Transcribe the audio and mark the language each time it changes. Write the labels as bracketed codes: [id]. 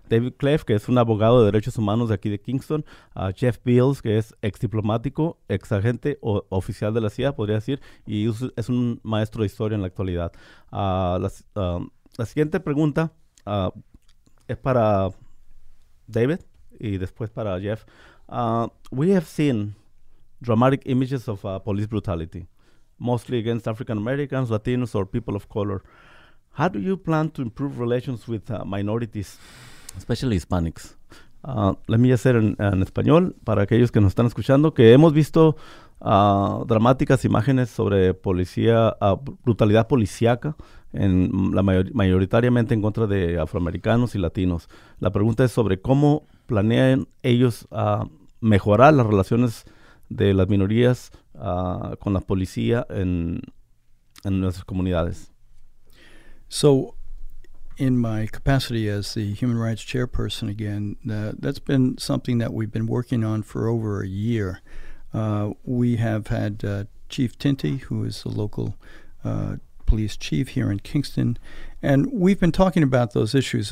[es] David Cleff, que es un abogado de derechos humanos de aquí de Kingston. Jeff Beals, que es ex diplomático, ex agente o oficial de la CIA, podría decir, y es un maestro de historia en la actualidad. La siguiente pregunta es para David y después para Jeff. [en] We have seen dramatic images of police brutality, mostly against African Americans, Latinos, or people of color. How do you plan to improve relations with minorities? Especially Hispanics. Let me just say [es] en español para aquellos que nos están escuchando que hemos visto dramáticas imágenes sobre policía, brutalidad policiaca en la mayoritariamente en contra de afroamericanos y latinos. La pregunta es sobre cómo planean ellos mejorar las relaciones de las minorías con la policía en nuestras comunidades. [en] So, in my capacity as the human rights chairperson again, that's been something that we've been working on for over a year. We have had Chief Tinty, who is the local police chief here in Kingston, and we've been talking about those issues.